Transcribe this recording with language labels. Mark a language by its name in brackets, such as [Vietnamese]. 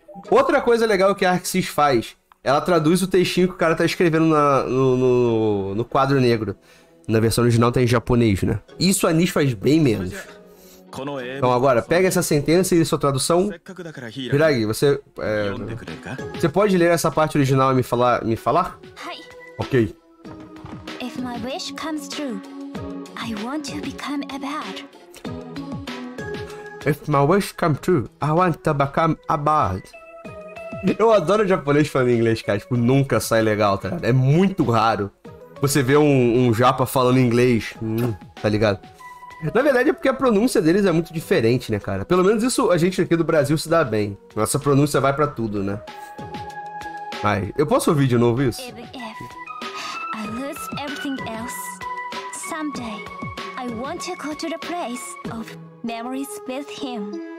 [Portuguese] Outra coisa legal que a Arxis faz Ela traduz o textinho que o cara tá escrevendo no quadro negro. Na versão original tem japonês, né? Isso a Nis faz bem menos. Então agora, pega essa sentença e sua tradução. Hiragi, você... Você pode ler essa parte original e me falar? Ok. [English] If my wish comes true, I want to become a bard. If my wish come true, I want to become a bard. [Portuguese] Eu adoro japonês falando inglês, cara. Tipo, nunca sai legal, tá ligado? É muito raro você ver um japa falando inglês, tá ligado? Na verdade é porque a pronúncia deles é muito diferente, né, cara? Pelo menos isso a gente aqui do Brasil se dá bem. Nossa pronúncia vai pra tudo, né? Ai, eu posso ouvir de novo isso? [English] I lose everything else. Someday, I want to go to the place of memories with him.